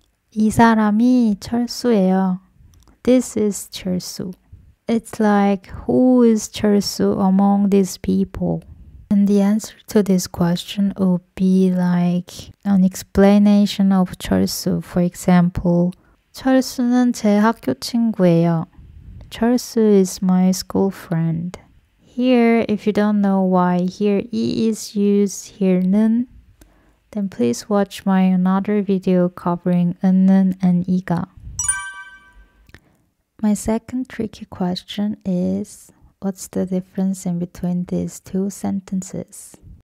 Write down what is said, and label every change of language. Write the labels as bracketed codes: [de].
[ko] 이 사람이 철수예요. [en] this is 철수. It's like who is 철수 among these people? And the answer to this question would be like an explanation of 철수. For example, [ko] 철수는 제 학교 친구예요. [en] Charles is my school friend. Here, if you don't know why here e is used here 는, then please watch my another video covering 은는 and 이가. My second tricky question is, what's the difference in between these two sentences?